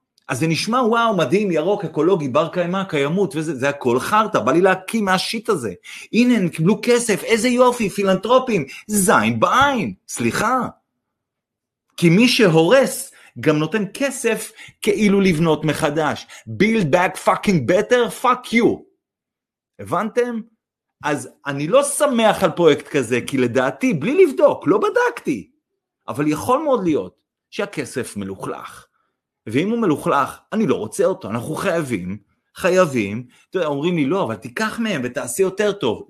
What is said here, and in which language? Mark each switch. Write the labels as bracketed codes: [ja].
[he] אז זה נשמע וואו, מדהים, ירוק, אקולוגי, בר קיימה, קיימות, וזה, זה הכל חרטה, בא לי להקים מהשיט הזה. הנה, הם קיבלו כסף, איזה יופי, פילנטרופים, זין בעין, סליחה. כי מי שהורס, גם נותן כסף כאילו לבנות מחדש. [en] Build back fucking better, fuck you. [he] הבנתם? אז אני לא שמח על פרויקט כזה, כי לדעתי, בלי לבדוק, לא בדקתי, אבל יכול מאוד להיות שהכסף מלוכלך. ואם הוא מלוכלך, אני לא רוצה אותו, אנחנו חייבים, אומרים לי לא, אבל תיקח מהם ותעשי יותר טוב.